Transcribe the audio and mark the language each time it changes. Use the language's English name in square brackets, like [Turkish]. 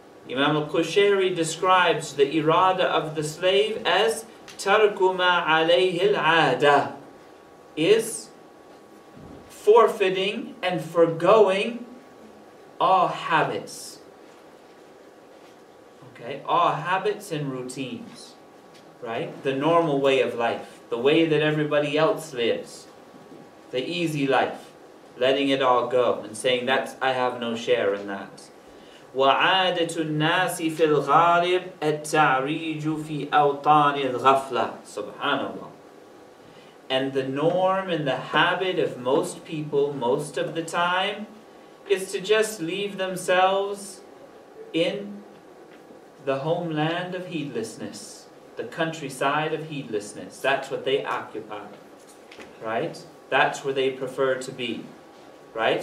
[English] Imam al-Qushayri describes the irada of the slave as [Arabic] تَرْكُ مَا عَلَيْهِ الْعَادَةِ, [English] is forfeiting and forgoing all habits. Okay, all habits and routines, right? The normal way of life, the way that everybody else lives, the easy life, letting it all go and saying that I have no share in that. [Arabic] وَعَادَةُ النَّاسِ فِي الْغَالِبِ التَّعْرِيجُ فِي أَوْطَانِ الْغَفْلَةِ, [English] subhanAllah. And the norm and the habit of most people most of the time is to just leave themselves in the homeland of heedlessness, the countryside of heedlessness. That's what they occupy, right? That's where they prefer to be, right?